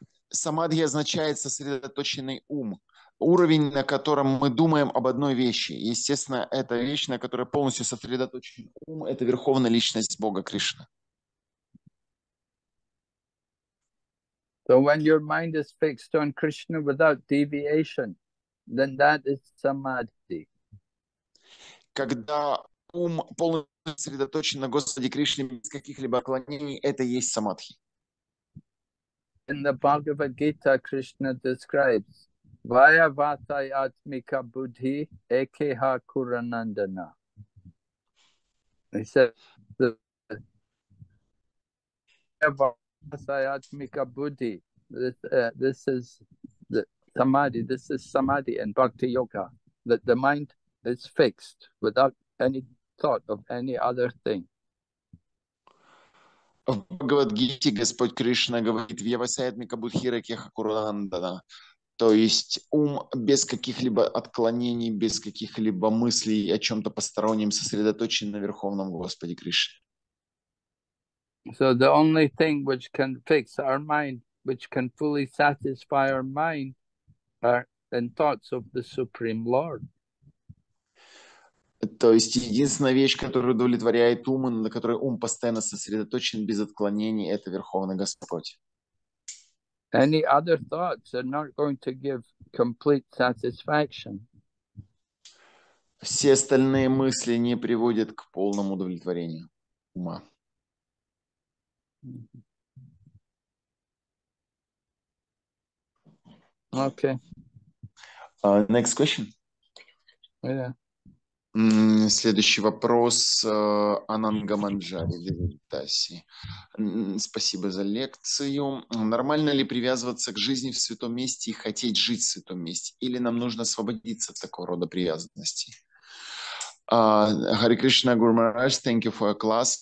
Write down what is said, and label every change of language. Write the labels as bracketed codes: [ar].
[ru] Самадхи означает сосредоточенный ум. Уровень, на котором мы думаем об одной вещи. Естественно, это вещь, на которой полностью сосредоточен ум, это верховная личность Бога Кришна. [en] So when your mind is fixed on Krishna without deviation, then that is samadhi. [ru] Когда ум полностью сосредоточен на Господе Кришне без каких-либо отклонений, это есть самадхи. [en] in the Bhagavad Gita, Krishna describes [sa] Vayavatai Atmika Buddhi Ekeha Kuranandana. [en] He said, the [sa] Vayavatai Atmika Buddhi, [en] this is the Samadhi, this is Samadhi in Bhakti Yoga, that the mind is fixed without any thought of any other thing. [ru] В Бхагавад-гите Господь Кришна говорит [sa] «Вьявасайатмика будхира кеха курандана», [ru] то есть ум без каких-либо отклонений, без каких-либо мыслей о чем-то постороннем сосредоточен на Верховном Господе Кришне. [en] So the only thing which can fix our mind, which can fully satisfy our mind, are in thoughts of the Supreme Lord. [ru] То есть единственная вещь, которая удовлетворяет ум, и на которой ум постоянно сосредоточен без отклонений, это Верховный Господь. [en] Any other thoughts are not going to give complete satisfaction. Все остальные мысли не приводят к полному удовлетворению ума. Okay. Next question. Yeah. [ru] Следующий вопрос Ананга Манджари Виритаси. Спасибо за лекцию. Нормально ли привязываться к жизни в святом месте и хотеть жить в святом месте? Или нам нужно освободиться от такого рода привязанностей? [en] Hare Krishna Guru Maharaj, thank you for your class.